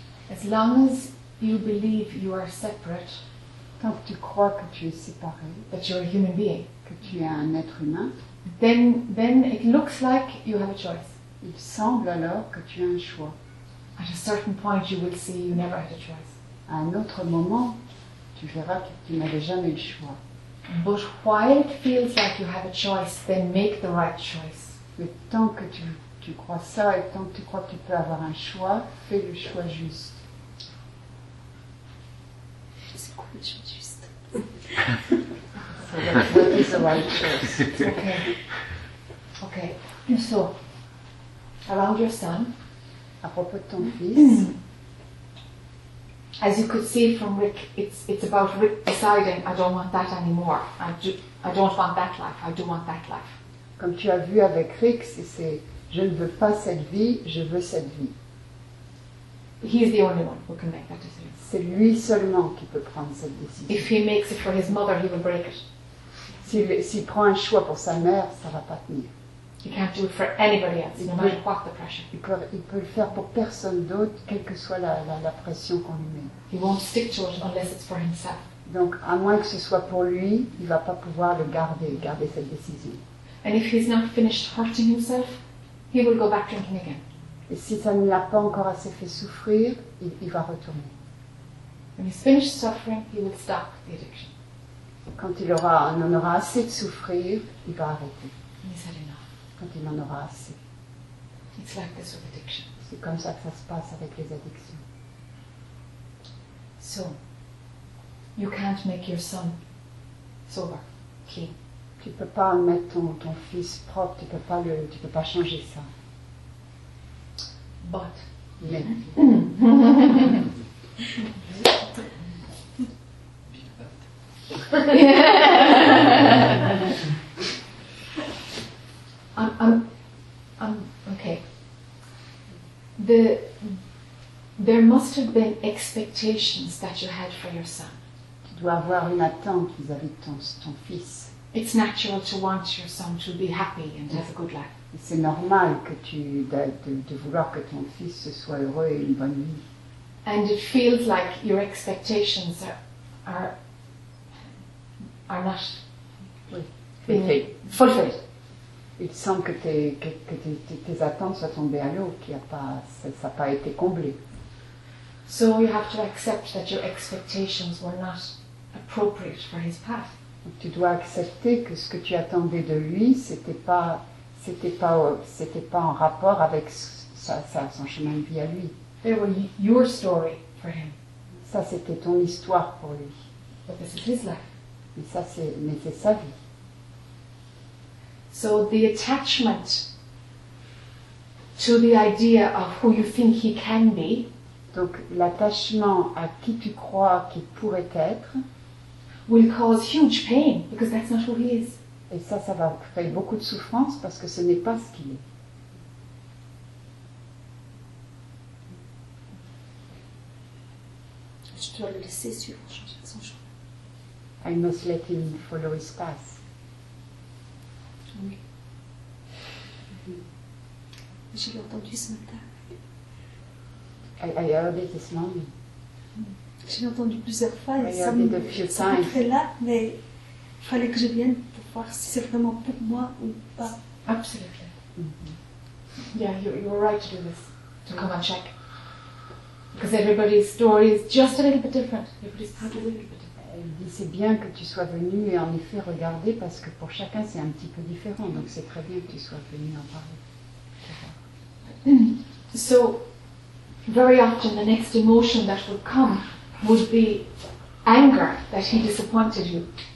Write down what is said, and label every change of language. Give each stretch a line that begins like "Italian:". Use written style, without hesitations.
English: As long as you believe you are separate,
French: tant que tu crois que tu es séparé,
English: that you're a human being,
French: que tu es un être humain,
English: then it looks like you have a choice.
French: Il semble alors que tu as un choix.
English: At a certain point, you will see you never had a choice.
French: À un autre moment, tu verras que tu n'avais jamais le choix.
English: But while it feels like you have a choice, then make the right choice.
French: Mais tant que tu crois ça et tant que tu crois que tu peux avoir un choix, fais le choix juste. C'est quoi le choix juste?
English: So that's what is the right choice. Okay. Okay. And so, around your son,
French: à propos de ton fils,
English: as you could see from Rick, it's about Rick deciding, I don't want that anymore. I don't want that life. I do want that life.
French: Comme tu as vu avec Rick, c'est je ne veux pas cette vie, je veux cette vie.
English: He is the only one who can make that decision.
French: C'est lui seulement qui peut prendre cette décision.
English: If he makes it for his mother, he will break it.
French: S'il prend un choix pour sa mère, ça va pas tenir.
English: He can't do it for anybody else, no matter what the pressure.
French: Il peut le faire pour personne d'autre, quelle que soit la pression qu'on lui met.
English: He won't stick to it unless it's for himself.
French: Donc, à moins que ce soit pour lui, il va pas pouvoir le garder cette décision.
English: And if he's not finished hurting himself, he will go back drinking again.
French: Et si ça ne l'a pas encore assez fait souffrir, il va retourner.
English: When he's finished suffering, he will stop the addiction.
French: Quand il aura, en aura assez de souffrir, il va arrêter. Quand il en aura assez.
English: It's like this with addiction.
French: C'est comme ça que ça se passe avec les addictions.
English: So, you can't make your son sober, clean.
French: Tu peux pas mettre ton fils propre, tu peux pas changer ça.
English: But.
French: Mais.
English: Okay. There must have been expectations that you had for your son.
French: Tu dois avoir une attente vis-à-vis de ton fils.
English: It's natural to want your son to be happy and have a good life.
French: C'est normal que de vouloir que ton fils se soit heureux et une bonne vie.
English: And it feels like your expectations are not fulfilled.
French: Il semble que tes attentes soient tombées à l'eau, qu'il n'y a pas, ça n'a pas été comblé.
English: So you have to accept that your expectations were not appropriate for his path.
French: Donc tu dois accepter que ce que tu attendais de lui, c'était pas en rapport avec son chemin de vie à lui.
English: They were your story for him.
French: Ça c'était ton histoire pour lui.
English: But this is his life.
French: Mais c'est sa vie.
English: So the attachment to the idea of who you think he can be.
French: Donc l'attachement à qui tu crois qu'il pourrait être.
English: Will cause huge pain because that's not who he is.
French: Et ça va créer beaucoup de souffrance parce que ce n'est pas ce qu'il est. Je dois le laisser suivre son chemin.
English: I must let him follow his path.
French: Oui. J'ai entendu ce matin.
English: I heard it this morning.
French: J'ai entendu plusieurs fois et ça me fait là, mais il fallait que je vienne pour voir si c'est vraiment pour moi ou pas.
English: Absolutely. Mm-hmm. Yeah, you were right to do this, to come and check. Because everybody's story is just a little bit different. Everybody's path is a little bit different.
French: Elle dit, c'est bien que tu sois venue et en effet regarder parce que pour chacun c'est un petit peu différent. Donc c'est très bien que tu sois venue en parler.
English: So, very often the next emotion that will come would be anger that he disappointed you.